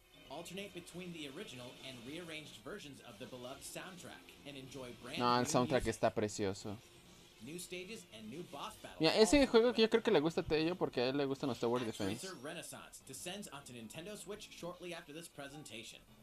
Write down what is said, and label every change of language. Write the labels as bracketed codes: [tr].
[en] Alternate between the original and rearranged versions of the beloved soundtrack and enjoy brand new. [es] No, el soundtrack está precioso. [en] New stages and new boss battles. [es] Mira, ese juego que yo creo que le gusta a Tello porque a él le gustan los Tower Defense. [en] ActRaiser Renaissance descends onto Nintendo Switch shortly after this presentation.